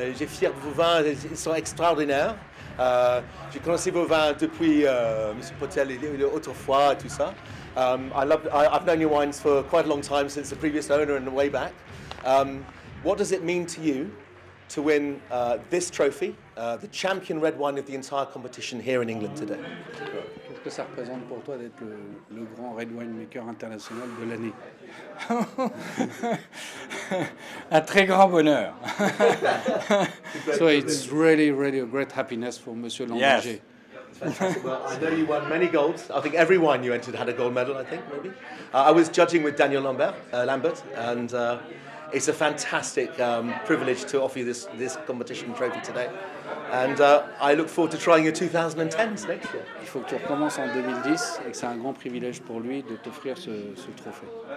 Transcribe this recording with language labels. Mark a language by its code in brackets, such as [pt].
[fr] J'ai fier de vos vins, ils sont extraordinaires. J'ai connu vos vins depuis Monsieur Potel autrefois et tout ça. [en] I've known your wines for quite a long time, since the previous owner and way back. What does it mean to you to win this trophy, the champion red wine of the entire competition here in England today? [fr] Qu'est-ce que ça représente pour toi d'être le grand red wine maker international de l'année? Un très grand bonheur. [en] So it's really, really a great happiness for Monsieur Landanger. Yes. Fantastic. Well, I know you won many golds. I think every wine you entered had a gold medal, I think, maybe. I was judging with Daniel Lambert, and it's a fantastic privilege to offer you this competition trophy today. And I look forward to trying your 2010s next year. [fr] Il faut que tu recommences en 2010, et que c'est un grand privilège pour lui de t'offrir ce trophée.